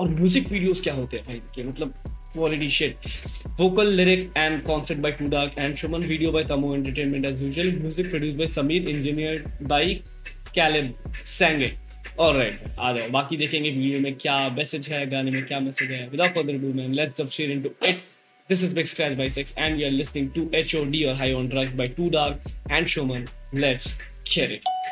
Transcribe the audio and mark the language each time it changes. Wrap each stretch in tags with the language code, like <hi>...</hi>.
<hi>और music videos क्या होते हैं भाई, मतलब</hi> <en>quality shit. Vocal lyrics and concept by Too Dark and Shuman. Video by Tamu Entertainment as usual. Music produced by Sameer. Engineered by Caleb Sange.</en> <hi>Alright, आ जाओ. बाकी देखेंगे video में क्या message है, गाने में क्या message है.</hi> <en>Without further ado, man, let's jump straight into it. This is Big Scratch Bisects and you are listening to H.O.D or High on Drugs by Too Dark and Shuman. Let's hear it.</en>